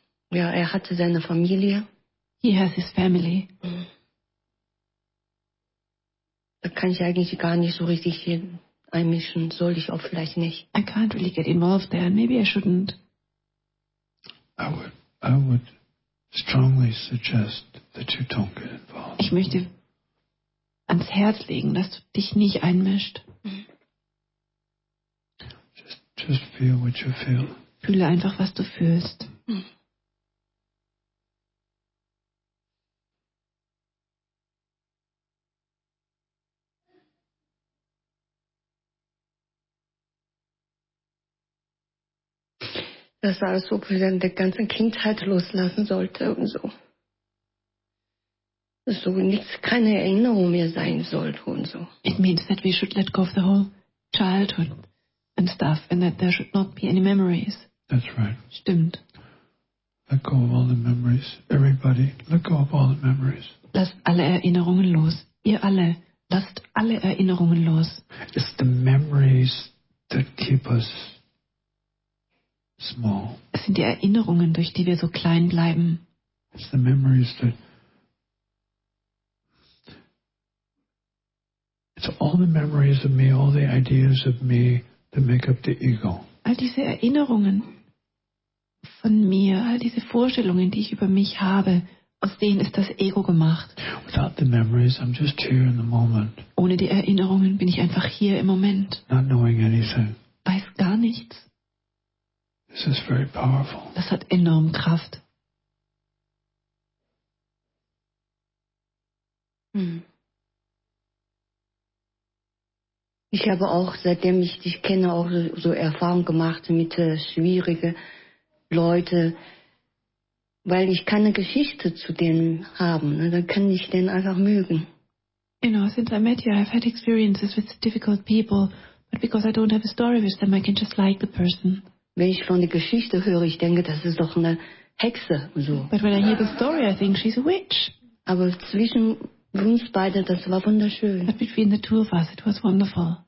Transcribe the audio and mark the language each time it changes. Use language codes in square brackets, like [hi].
[de] Ja, er hatte seine Familie. [en] He has his family. [de] Da kann ich eigentlich gar nicht so richtig hier einmischen. Soll ich auch vielleicht nicht. [en] I can't really get involved there. Maybe I shouldn't. I would strongly suggest that you don't get involved. [de] Ich möchte ans Herz legen, dass du dich nicht einmischst. [en] Just feel what you feel. [de] Fühle einfach, was du fühlst. Das war, als ob wir dann der ganzen Kindheit loslassen sollte und so. So nichts, keine Erinnerung mehr sein sollte und so. [en] It means that we should let go of the whole childhood and stuff and that there should not be any memories. That's right. [de] Stimmt. [en] Let go of all the memories. Everybody, let go of all the memories. [de] Lass alle Erinnerungen los. Ihr alle, lasst alle Erinnerungen los. [en] It's the memories that keep us small. [de] Es sind die Erinnerungen, durch die wir so klein bleiben. [en] It's the memories that it's all the memories of me, all the ideas of me that make up the ego. [de] All diese Erinnerungen von mir, all diese Vorstellungen, die ich über mich habe, aus denen ist das Ego gemacht. [en] Without the memories, I'm just here in the moment. [de] Ohne die Erinnerungen bin ich einfach hier im Moment. [en] Not knowing anything. [de] Weiß gar nichts. [en] This is very powerful. [de] Das hat enorm Kraft. Ich habe auch, seitdem ich dich kenne, auch so Erfahrungen gemacht mit schwierigen Leuten, weil ich keine Geschichte zu denen habe. Ne? Dann kann ich denen einfach mögen. [en] You know, since I met you, I've had experiences with difficult people, but because I don't have a story with them, I can just like the person. [de] Wenn ich von der Geschichte höre, ich denke, das ist doch eine Hexe. So. [en] But when I hear the story, I think she's a witch. [de] Aber zwischen uns beide, das war wunderschön. [en] But between the two of us, it was wonderful.